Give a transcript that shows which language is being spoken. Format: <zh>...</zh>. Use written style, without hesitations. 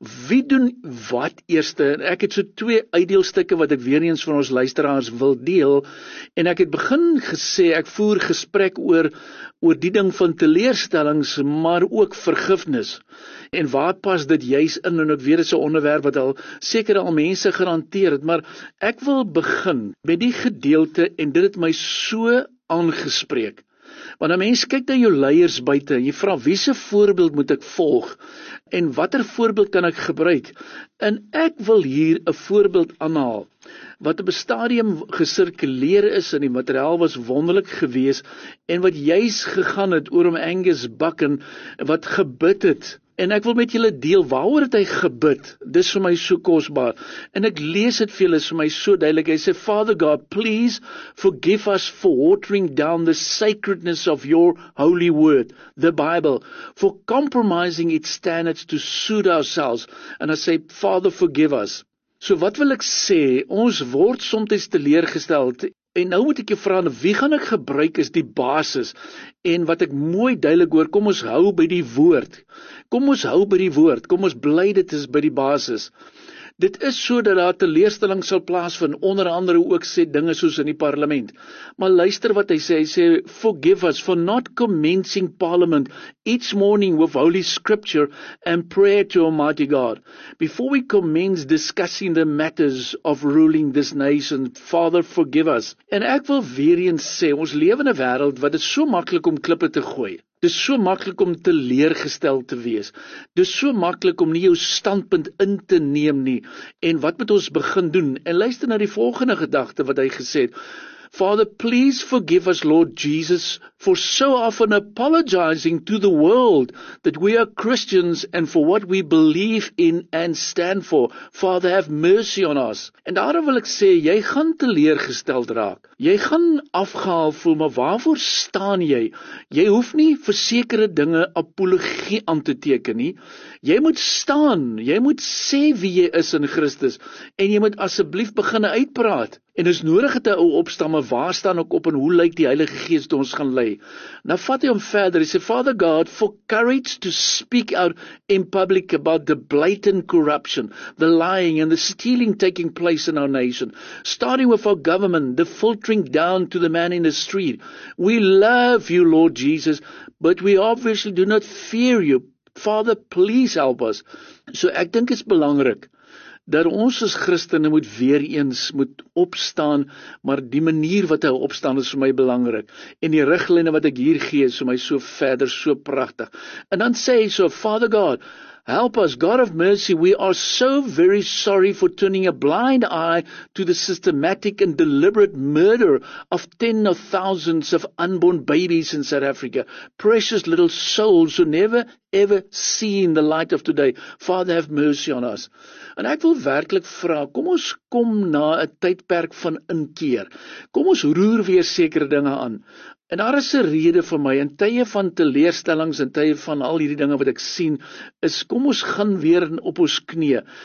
<af>Wie doen wat eerste? En ek het so twee uitdeelstukke wat ek weer eens van ons luisteraars wil deel, en ek het begin gesê, ek voer gesprek oor die ding van teleerstellings, maar ook vergifnis, en waar pas dit juist in, en ek weet, is 'n onderwerp wat al seker al mense gehanteer het, maar ek wil begin met die gedeelte, en dit het my so aangespreek. Want 'n mens kyk na jou leiers buite, jy vra, wie se voorbeeld moet ek volg? En watter voorbeeld kan ek gebruik? En ek wil hier 'n voorbeeld aanhaal, wat op 'n stadium gesirkuleer is, en die materiaal was wonderlik geweest, en wat juis gegaan het oor om Angus Buck, en wat gebid het. En ek wil met julle deel, waaroor het hy gebid? Dis vir my so kosbaar. En ek lees het vir julle, is vir my so duidelik. Hy sê,</af> <en>Father God, please forgive us for watering down the sacredness of your holy word, the Bible, for compromising its standards to suit ourselves. And I say, Father, forgive us.</en> <af>So wat wil ek sê? Ons word soms teleurgesteld. En nou moet ek jou vra, wie gaan ek gebruik as die basis? En wat ek mooi duidelik hoor, kom ons hou by die woord. Kom ons hou by die woord, kom ons bly dit is by die basis. Dit is so dat daar teleurstelling sal plaasvind, onder andere ook sê dinge soos in die parlement. Maar luister wat hy sê,</af> <en>forgive us for not commencing parliament each morning with holy scripture and prayer to Almighty God. Before we commence discussing the matters of ruling this nation, Father, forgive us.</en> <af>En ek wil weer eens sê, ons leef in 'n wêreld wat dit so maklik om klippe te gooi. Dis so maklik om teleurgesteld te wees. Dis so maklik om nie jou standpunt in te neem nie. En wat moet ons begin doen? En luister na die volgende gedagte wat hy gesê het.</af> <en>Father, please forgive us, Lord Jesus, for so often apologizing to the world that we are Christians and for what we believe in and stand for. Father, have mercy on us.</en> <af>En daarom wil ek sê, jy gaan teleurgesteld raak. Jy gaan afgehaal voel, maar waarvoor staan jy? Jy hoef nie vir sekere dinge apologie aan te teken nie. Jy moet staan, jy moet sê wie jy is in Christus en jy moet asseblief begin uitpraat. En is nodig het hy ou opstaan, maar waar staan ek op en hoe lyk die Heilige Gees toe ons gaan lei? Nou vat hy hom verder, hy sê,</af> <en>Father God, for courage to speak out in public about the blatant corruption, the lying and the stealing taking place in our nation, starting with our government, the filtering down to the man in the street. We love you, Lord Jesus, but we obviously do not fear you. Father, please help us.</en> <af>So ek dink is belangrik, dat ons as Christene moet weer eens moet opstaan, maar die manier wat hy opstaan is vir my belangrik, en die riglyne wat ek hier gee is vir my so verder, so prachtig. En dan sê hy so,</af> <en>Father God, help us, God of mercy, we are so very sorry for turning a blind eye to the systematic and deliberate murder of tens of thousands of unborn babies in South Africa, precious little souls who never ever seen the light of today. Father, have mercy on us.</en> <af>En ek wil werklik vra, kom ons kom na 'n tydperk van inkeer. Kom ons roer weer sekere dinge aan. En daar is 'n rede vir my, in tye van teleerstellings, in tye van al hierdie dinge wat ek sien, is kom ons gaan weer op ons knie.</af>